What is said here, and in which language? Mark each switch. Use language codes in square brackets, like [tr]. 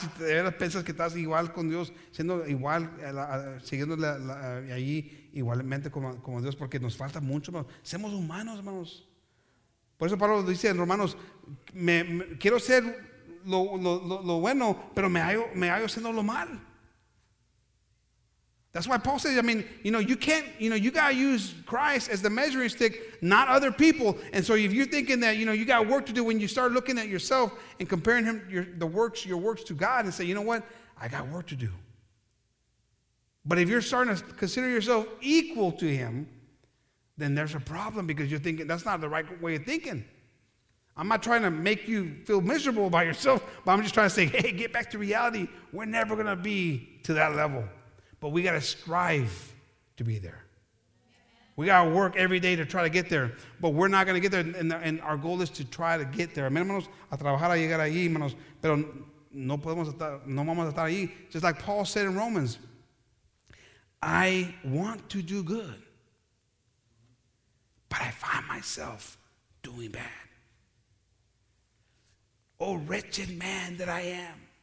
[es] Si de verdad piensas que estás igual con Dios, siendo igual, siguiéndole ahí igualmente como Dios, porque nos falta mucho, hermanos. Somos humanos, hermanos. Por eso Pablo dice en Romanos, me quiero ser lo bueno, pero me hallo siendo lo mal. [en] That's why Paul says, I mean, you know, you can't, you know, you got to use Christ as the measuring stick, not other people. And so if you're thinking that, you know, you got work to do, when you start looking at yourself and comparing him, your works to God, and say, you know what, I got work to do. But if you're starting to consider yourself equal to him, then there's a problem, because you're thinking that's not the right way of thinking. I'm not trying to make you feel miserable about yourself, but I'm just trying to say, hey, get back to reality. We're never going to be to that level. But we got to strive to be there. We got to work every day to try to get there. But we're not going to get there. And our goal is to try to get there. [es] Amen, hermanos? A trabajar a llegar allí, hermanos. Pero no podemos estar, no vamos a estar allí. [en] Just like Paul said in Romans, I want to do good, but I find myself doing bad. Oh, wretched man that I am.